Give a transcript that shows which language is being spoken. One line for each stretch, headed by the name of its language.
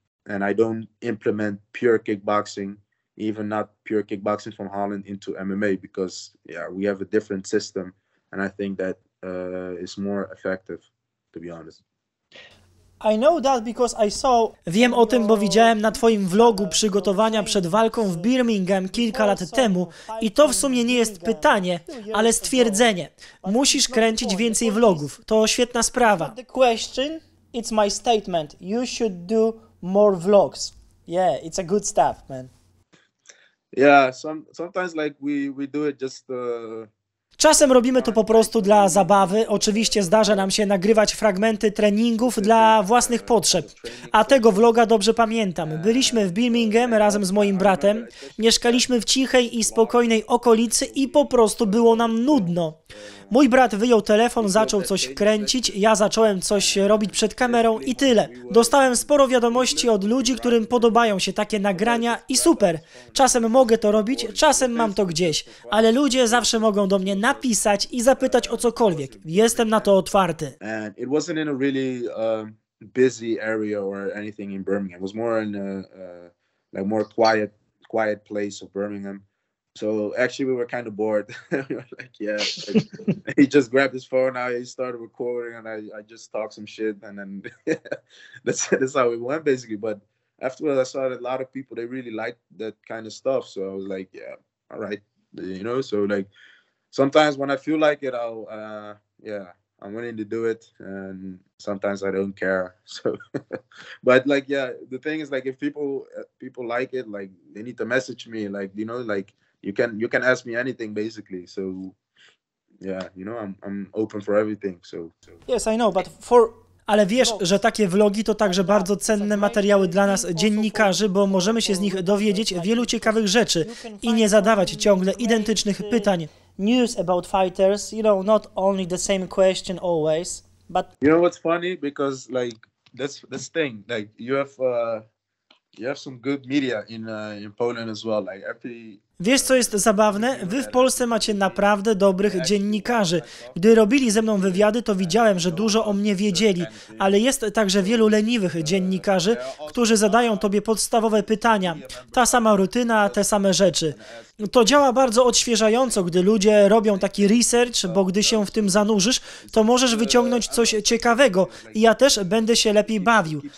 English: And I don't implement pure kickboxing, even not pure kickboxing from Holland into MMA, because yeah, we have a different system. And I think that is more effective, to be honest. I know that because I saw.
Polish: Wiem o tym, bo widziałem na twoim vlogu przygotowania przed walką w Birmingham kilka lat temu. I to w sumie nie jest pytanie, ale stwierdzenie. Musisz kręcić więcej vlogów. To świetna sprawa.
English: The question, it's my statement. You should do more vlogs. Yeah, it's a good stuff, man. Yeah, sometimes like we do it just.
Polish: Czasem robimy to po prostu dla zabawy. Oczywiście zdarza nam się nagrywać fragmenty treningów dla własnych potrzeb. A tego vloga dobrze pamiętam. Byliśmy w Birmingham razem z moim bratem. Mieszkaliśmy w cichej i spokojnej okolicy i po prostu było nam nudno. Mój brat wyjął telefon, zaczął coś kręcić, ja zacząłem coś robić przed kamerą i tyle. Dostałem sporo wiadomości od ludzi, którym podobają się takie nagrania i super. Czasem mogę to robić, czasem mam to gdzieś, ale ludzie zawsze mogą do mnie napisać i zapytać o cokolwiek. Jestem na to otwarty.
English: And it wasn't in a really busy area or anything in Birmingham. It was more in a like more quiet place of Birmingham. So actually we were kind of bored. Like yeah, like, he just grabbed his phone, I started recording and I just talked some shit and then that's how it went basically. But afterwards I saw that a lot of people, they really liked that kind of stuff. So I was like, yeah, all right. You know, so like sometimes when I feel like it, I'm willing to do it, and sometimes I don't care. So but like yeah, the thing is like if people like it, like they need to message me, like, you know, like You can ask me anything basically. So yeah, you know, I'm open for everything. So yes, I know, but for.
Polish: Ale wiesz, że takie vlogi to także bardzo cenne materiały dla nas, dziennikarzy, bo możemy się z nich dowiedzieć wielu ciekawych rzeczy i nie zadawać ciągle identycznych pytań.
English: News about fighters, you know, not only the same question always, but. You know what's funny? Because like this thing, like you have some good media in Poland as well. Like every.
Polish: Wiesz, co jest zabawne? Wy w Polsce macie naprawdę dobrych dziennikarzy. Gdy robili ze mną wywiady, to widziałem, że dużo o mnie wiedzieli, ale jest także wielu leniwych dziennikarzy, którzy zadają tobie podstawowe pytania. Ta sama rutyna, te same rzeczy. To działa bardzo odświeżająco, gdy ludzie robią taki research, bo gdy się w tym zanurzysz, to możesz wyciągnąć coś ciekawego i ja też będę się lepiej bawił.